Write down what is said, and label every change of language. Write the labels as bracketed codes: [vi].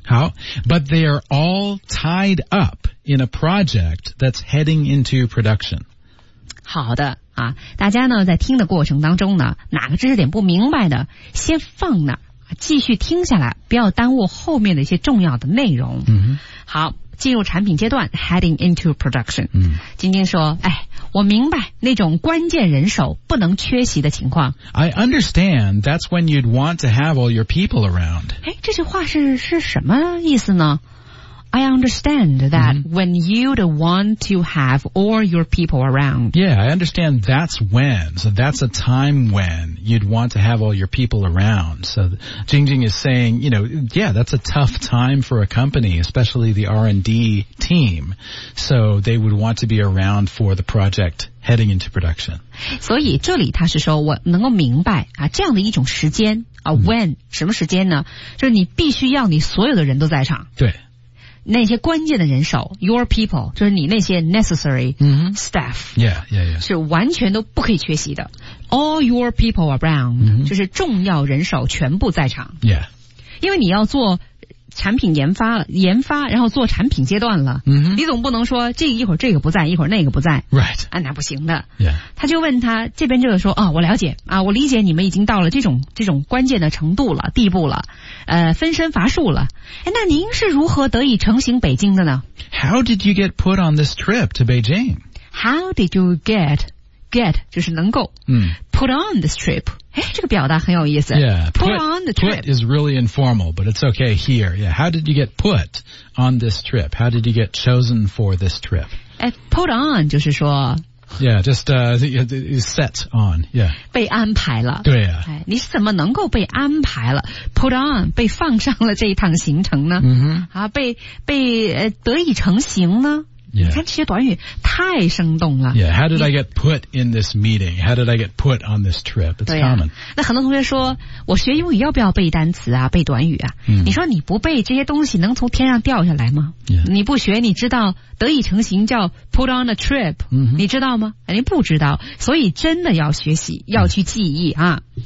[en] 好， But they are all tied up in a project that's heading into production. [zh] 好的啊，大家呢在听的过程当中呢，哪个知识点不明白的先放那儿，继续听下来，不要耽误后面的一些重要的内容。嗯，好，进入产品阶段 ， [en] heading into production。嗯， [zh] 晶晶说：“哎，我明白那种关键人手不能缺席的情况。” [en] I understand that's when you'd want to have all your people around. [zh] 哎，这句话是什么意思呢？ [en] I understand that、mm-hmm. when you'd want to have all your people around. Yeah, I understand that's when. So that's a time when you'd want to have all your people around. So Jingjing is saying, you know, yeah, that's a tough time for a company, especially the R&D team. So they would want to be around for the project heading into production. [zh] 所以这里他是说我能够明白、啊、这样的一种时间、啊、when、mm-hmm. 什么时间呢就是你必须要你所有的人都在场。对。那些关键的人手 ， [en] your people， [zh] 就是你那些 [en] necessary staff， yeah, yeah, yeah. [zh] 是完全都不可以缺席的。 [en] All your people around，、 mm-hmm. [zh] 就是重要人手全部在场。 [en] Yeah. [zh] 因为你要做产品研发，然后做产品阶段了， mm-hmm. 你总不能说这一会儿这个不在，一会儿那个不在 [en] ，right？ [zh] 啊，那不行的。 [en] Yeah. [zh] 他就问他这边这个说啊、哦，我了解啊，我理解你们已经到了这种关键的程度了，地步了。分身乏术了。那您是如何得以成行北京的呢 [en] ？How did you get put on this trip to Beijing? How did you get [zh] 就是能够、 mm. [en] put on this trip？ [zh] 哎，这个表达很有意思。 [en] Yeah, put on the trip put is really informal, but it's okay here. Yeah, how did you get put on this trip? How did you get chosen for this trip? [zh] 哎 ，put on 就是说。 [en] Yeah, just set on. Yeah, [zh] 被安排了。对呀、啊，哎，你怎么能够被安排了 ？Put on 被放上了这一趟行程呢？嗯、mm-hmm. 哼啊，被得以成行呢？ [en] Yeah. [zh] 你看这些短语太生动了。 [en] Yeah, how did I get put in this meeting? How did I get put on this trip? It's、啊、 common. [zh] 那很多同学说，我学英语要不要背单词啊？背短语啊？ Mm-hmm. 你说你不背这些东西，能从天上掉下来吗？ [en] Yeah. [zh] 你不学，你知道得以成行叫 [en] put on a trip，、 mm-hmm. [zh] 你知道吗？你不知道，所以真的要学习，要去记忆啊。